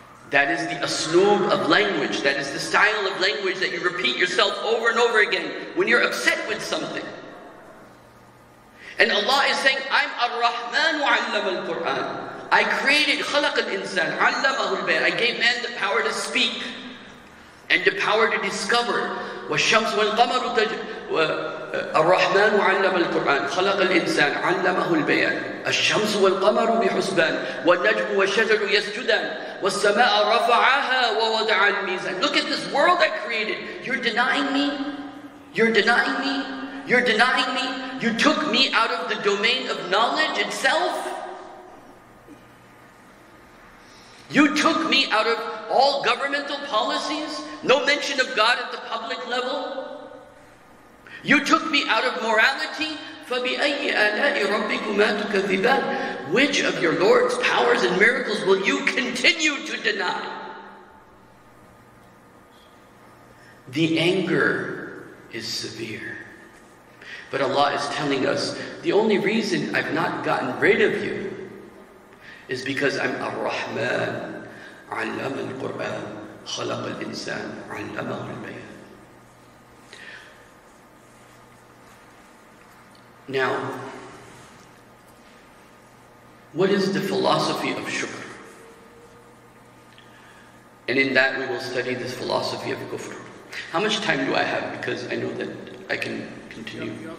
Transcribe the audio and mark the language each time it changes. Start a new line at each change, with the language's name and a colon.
English: That is the asloob of language. That is the style of language that you repeat yourself over and over again when you're upset with something. And Allah is saying, I'm Ar-Rahman wa 'allama al-Qur'an. I created, khalaq al-insan, 'allamahu al-bayan. I gave man the power to speak and the power to discover.
Arabic: Wa shams wal qamaru taj. الرحمن علم القرآن خلق الإنسان علمه البيان الشمس والقمر بحسبان والنجم والشجر يسجدان والسماء رفعها ووضع الميزان.
English: Look at this world I created. You're denying me? You're denying me? You're denying me? You took me out of the domain of knowledge itself? You took me out of all governmental policies? No mention of God at the public level? You took me out of morality.
Arabic: فَبِأَيِّ آلَاءِ رَبِّكُمَا تُكَذِّبَانِ.
English: Which of your Lord's powers and miracles will you continue to deny? The anger is severe. But Allah is telling us, the only reason I've not gotten rid of you is because I'm Ar-Rahman.
Arabic: علم القرآن خلق الإنسان علمه البيان.
English: Now, what is the philosophy of shukr? And in that we will study this philosophy of kufr. How much time do I have? Because I know that I can continue.